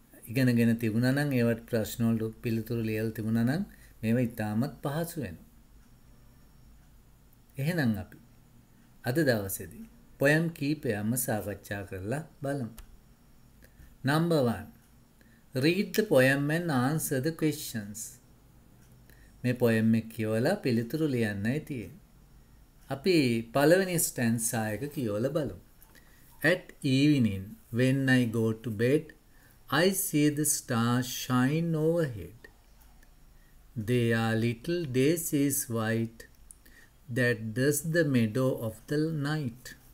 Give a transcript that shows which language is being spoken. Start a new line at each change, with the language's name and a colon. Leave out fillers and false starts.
Sinhala: ඉගෙනගෙන තිබුණා නම් ඒවට ප්‍රශ්න වලට පිළිතුරු ලියලා තිබුණා නම් මේවා ඉතාමත් පහසු වෙනවා. එහෙනම් අපි අද දවසේදී poem කීපයක්ම සාකච්ඡා කරලා බලමු.
English: Number 1. Read the poem and answer the questions.
Sinhala: මේ poem එක කියවලා පිළිතුරු ලියන්නයි තියෙන්නේ. අපි පළවෙනි stanza එක කියවලා බලමු.
English: At evening when I go to bed I see the stars shine overhead. They are little daisies white that dust the meadow of the night.